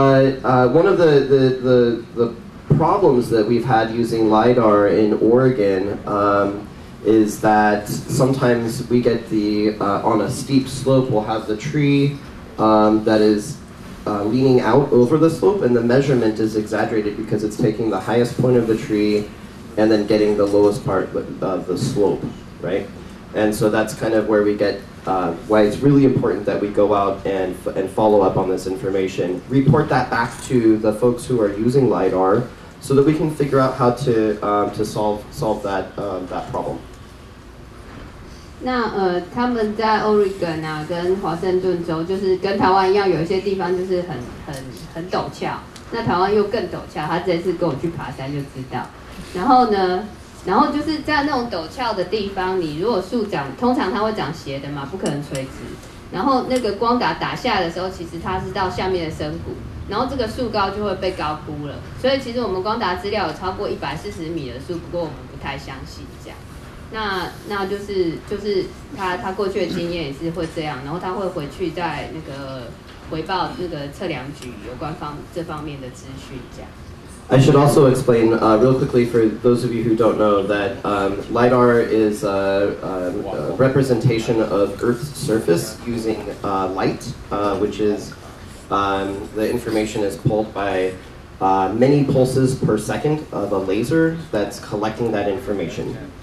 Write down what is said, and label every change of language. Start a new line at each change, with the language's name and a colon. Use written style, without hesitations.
English: but one of the problems that we've had using LIDAR in Oregon is that sometimes we get on a steep slope, we'll have the tree that is leaning out over the slope, and the measurement is exaggerated because it's taking the highest point of the tree and then getting the lowest part of the slope, right? And so that's kind of where we get why it's really important that we go out and follow up on this information, report that back to the folks who are using LIDAR, so that we can figure out how to solve that problem.
Chinese: 那他们在 Oregon 啊，跟华盛顿州，就是跟台湾一样，有一些地方就是很陡峭。那台湾又更陡峭，他这次跟我去爬山就知道。然后就是在那种陡峭的地方，你如果树长，通常它会长斜的嘛，不可能垂直。然后那个光打打下来的时候，其实它是到下面的深谷，然后这个树高就会被高估了。所以其实我们光打资料有超过140米的树，不过我们不太相信这样。那就是他过去的经验也是会这样，然后他会回去再那个回报那个测量局有关方这方面的资讯这样。
English: I should also explain real quickly for those of you who don't know that LIDAR is a representation of Earth's surface using light, which is the information is pulled by many pulses per second of a laser that's collecting that information.